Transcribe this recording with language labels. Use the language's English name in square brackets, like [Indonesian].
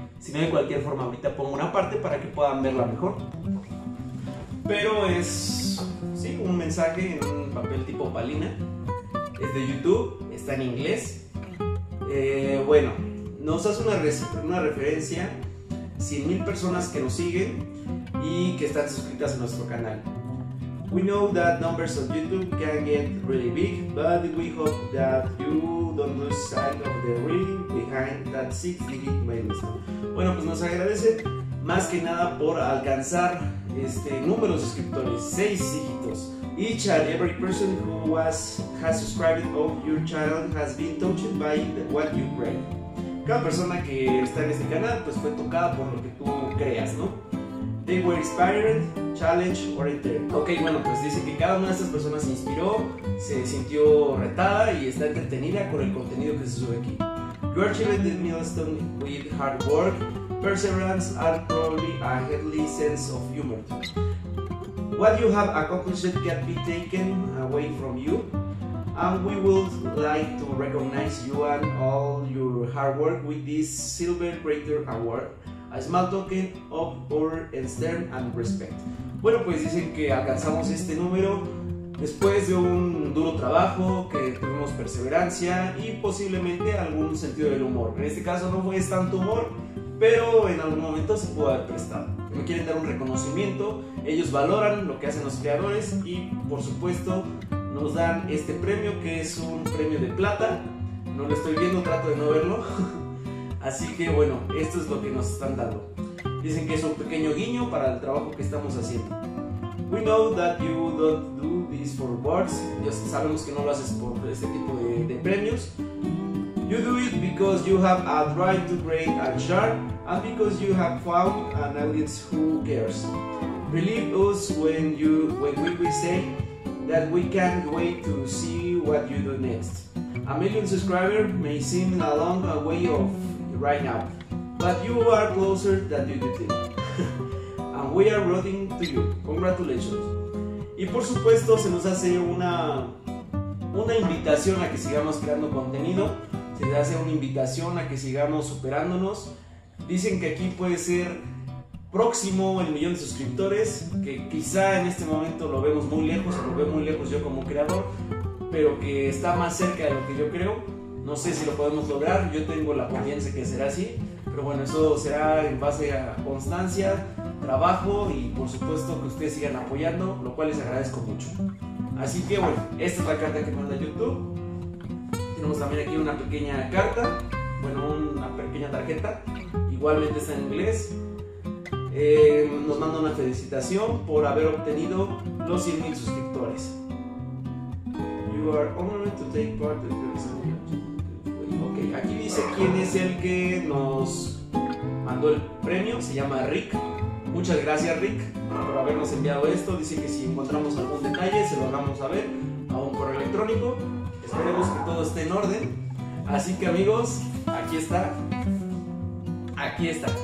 [Spanish] Si no, de cualquier forma, ahorita pongo una parte para que puedan verla mejor. Pero es, sí, un mensaje en un papel tipo palina. Es de YouTube, está en inglés. Bueno, nos hace una referencia 100,000 personas que nos siguen y que están suscritas a nuestro canal. [English] We know that numbers on YouTube can get really big, but we hope that you don't lose sight of the reason behind that 6-digit milestone. [Spanish] Bueno, pues nos agradece más que nada por alcanzar este número de suscriptores, 6 dígitos. [English] Each and every person who has subscribed on your channel has been touched by what you create. [Spanish] Cada persona que está en este canal pues fue tocada por lo que tú creas, ¿no? [English] They were inspired, challenged, or entertained. [Spanish] Ok, bueno, pues dice que cada una de estas personas se inspiró, se sintió retada y está entretenida con el contenido que se sube aquí. [English] You achieved this milestone with hard work, perseverance, and probably a healthy sense of humor. What you have accomplished can be taken away from you, and we would like to recognize you and all your hard work with this Silver Crater Award, a small token of our esteem and respect. [Spanish] Bueno, pues dicen que alcanzamos este número después de un duro trabajo, que tuvimos perseverancia y posiblemente algún sentido del humor. En este caso no fue tanto humor, pero en algún momento se pudo haber prestado. Me quieren dar un reconocimiento, ellos valoran lo que hacen los creadores y por supuesto nos dan este premio que es un premio de plata. No lo estoy viendo, trato de no verlo. Así que bueno, esto es lo que nos están dando. Dicen que es un pequeño guiño para el trabajo que estamos haciendo. [English] We know that you don't do this for awards. [Spanish] Ya sabemos que no lo haces por este tipo de premios. [English] You do it because you have a drive to create and share, and because you have found an audience who cares. Believe us when we say that we can't wait to see what you do next. A million subscribers may seem a long way off right now, but you are closer than you think. And we are rooting for you. Congratulations. [Spanish] Y por supuesto se nos hace una invitación a que sigamos creando contenido. Se hace una invitación a que sigamos superándonos. Dicen que aquí puede ser próximo el millón de suscriptores, que quizá en este momento lo vemos muy lejos, o lo veo muy lejos yo como creador, pero que está más cerca de lo que yo creo. No sé si lo podemos lograr, yo tengo la confianza que será así, pero bueno, eso será en base a constancia, trabajo y por supuesto que ustedes sigan apoyando, lo cual les agradezco mucho. Así que bueno, esta es la carta que manda YouTube. Tenemos también aquí una pequeña carta, bueno, una pequeña tarjeta, igualmente está en inglés. Nos manda una felicitación por haber obtenido los 100,000 suscriptores. [English] You are honored to take part in this. [Spanish] Ok, aquí dice quién es el que nos mandó el premio, se llama Rick. Muchas gracias, Rick, por habernos enviado esto. Dice que si encontramos algún detalle, se lo vamos a ver a un correo electrónico. Esperemos que todo esté en orden. Así que, amigos, aquí está. Aquí está.